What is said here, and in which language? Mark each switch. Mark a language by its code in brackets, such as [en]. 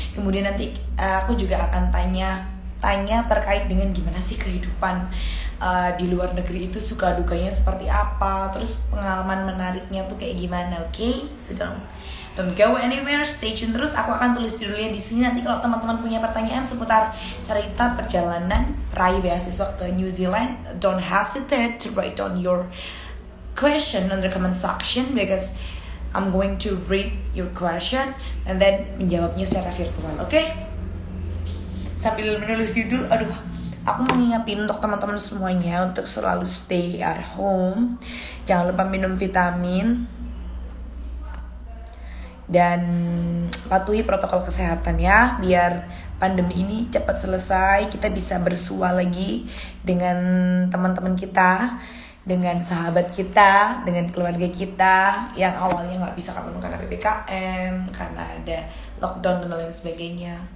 [id] Kemudian nanti aku juga akan tanya terkait dengan gimana sih kehidupan di luar negeri itu, suka dukanya seperti apa, terus pengalaman menariknya tuh kayak gimana. [en] Okay? So don't go anywhere, stay tune [id] terus. Aku akan tulis judulnya di sini nanti kalau teman-teman punya pertanyaan seputar cerita perjalanan raih beasiswa ke New Zealand. [en] Don't hesitate to write down your question on the comment section because I'm going to read your question and then [id] menjawabnya secara virtual, [en] okay? [id] Sambil menulis judul, aduh, aku mau ngingetin untuk teman-teman semuanya untuk selalu [en] stay at home, [id] jangan lupa minum vitamin dan patuhi protokol kesehatan ya, biar pandemi ini cepat selesai, kita bisa bersua lagi dengan teman-teman kita, dengan sahabat kita, dengan keluarga kita yang awalnya gak bisa ketemu karena PPKM, karena ada lockdown dan lain sebagainya.